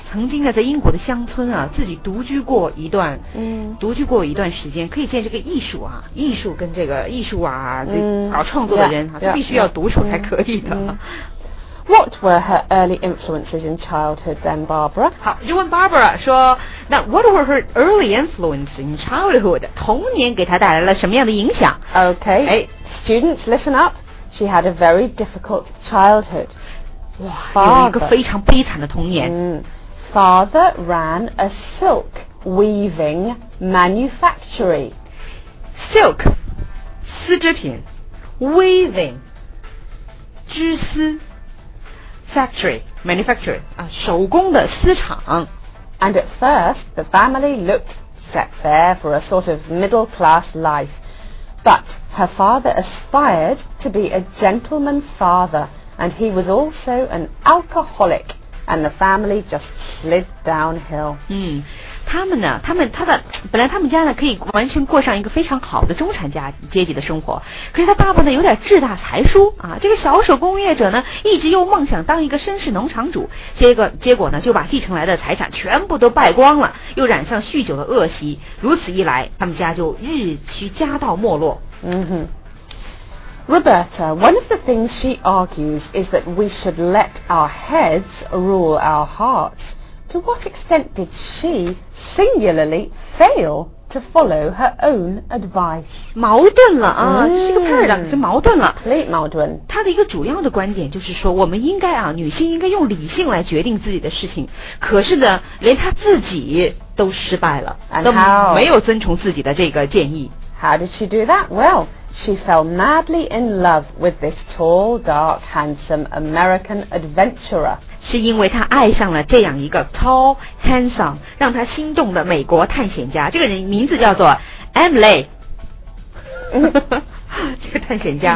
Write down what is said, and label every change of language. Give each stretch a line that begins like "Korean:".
Chinese: 曾经呢，在英国的乡村啊，自己独居过一段，独居过一段时间，可以见这个艺术啊，艺术跟这个艺术啊，这搞创作的人啊，他必须要独处才可以的。
English: What were her early influences in childhood then, Barbara?
Chinese: 好，就问 Barbara 说，那
English: What were her early influences in childhood?
Chinese: 童年给她带来了什么样的影响？
English: Okay, students, listen up. She had a very difficult childhood.
Chinese: 哇，
English: father,
Chinese: 有一个非常悲惨的童年。
English: Father ran a silk weaving manufactory.
Chinese: Silk, 丝织品 ,weaving, 织丝。 Factory, manufactory, 手工的丝厂。
English: And at first, the family looked set there for a sort of middle-class life. But her father aspired to be a gentleman father, and he was also an alcoholic, and the family just slid downhill.
Chinese: 他们呢，他们他的本来他们家呢可以完全过上一个非常好的中产家阶级的生活，可是他爸爸呢有点志大才疏啊，这个小手工业者呢一直又梦想当一个绅士农场主，结果呢就把继承来的财产全部都败光了，又染上酗酒的恶习，如此一来他们家就日趋家道没落。
English: Roberta, one of the things she argues is that we should let our heads rule our hearts. To what extent did she singularly fail to follow her own advice?
Chinese: 矛盾了啊，是个 paradox， 矛盾了。
English: Complete
Chinese: 矛盾。她的一个主要的观点就是说，我们应该啊，女性应该用理性来决定自己的事情。可是呢，连她自己都失败了，都没有遵从自己的这个建议。
English: How did she do that? Well,She fell madly in love with this tall, dark, handsome American adventurer.
Chinese: 是因为她爱上了这样一个
English: tall, handsome,
Chinese: 让她心动的美国探险家。这个人名字叫做 Emily. 这个探险家。